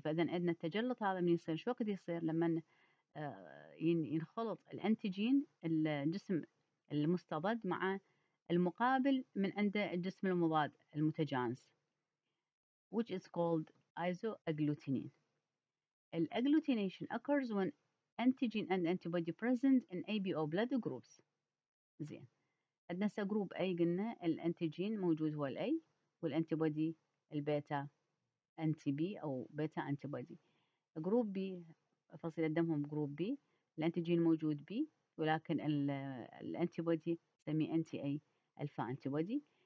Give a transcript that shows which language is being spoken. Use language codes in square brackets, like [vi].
[ar] فإذا عندنا التجلط هذا من يصير شو وقت يصير لما ينخلط الانتيجين الجسم المستضد مع المقابل من عند الجسم المضاد المتجانس [en] which is called isoagglutinin. الagglutination occurs when antigen and antibody present in ABO blood groups. [ar] زين عندنا هسه جروب A قلنا الانتيجين موجود هو الA والانتيبودي البيتا انتي بي او بيتا انتيبودي. جروب B فصيلة دمهم جروب B الانتيجين موجود B ولكن الانتيبودي سمي انتي A الفا انتيبودي.